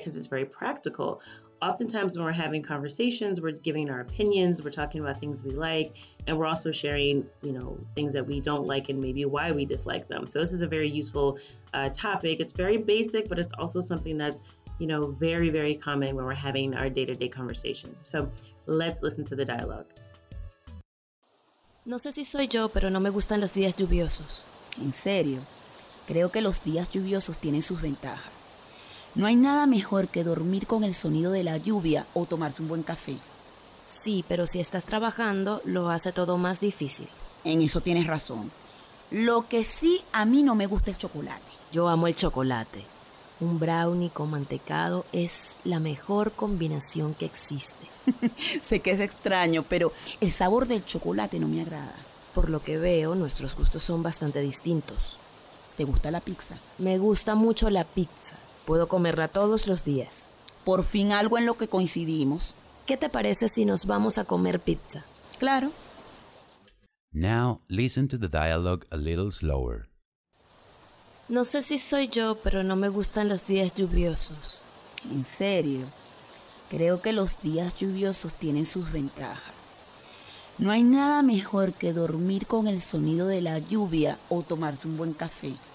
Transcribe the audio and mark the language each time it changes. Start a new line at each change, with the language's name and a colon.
English: Because it's very practical. Oftentimes when we're having conversations, we're giving our opinions, we're talking about things we like, and we're also sharing, you know, things that we don't like and maybe why we dislike them. So this is a very useful topic. It's very basic, but it's also something that's, you know, very, very common when we're having our day-to-day conversations. So let's listen to the dialogue.
Spanish: No sé si soy yo, pero no me gustan los días lluviosos. En serio, creo que los días lluviosos tienen sus ventajas. No hay nada mejor que dormir con el sonido de la lluvia o tomarse un buen café. Sí, pero si estás trabajando, lo hace todo más difícil. En eso tienes razón. Lo que sí, a mí no me gusta el chocolate. Yo amo el chocolate. Un brownie con mantecado es la mejor combinación que existe. Sé que es extraño, pero el sabor del chocolate no me agrada. Por lo que veo, nuestros gustos son bastante distintos. ¿Te gusta la pizza? Me gusta mucho la pizza. Puedo comerla todos los días. Por fin algo en lo que coincidimos. ¿Qué te parece si nos vamos a comer pizza? Claro.
English: Now, listen to the dialogue a little slower.
Spanish: No sé si soy yo, pero no me gustan los días lluviosos. ¿En serio? Creo que los días lluviosos tienen sus ventajas. No hay nada mejor que dormir con el sonido de la lluvia o tomarse un buen café.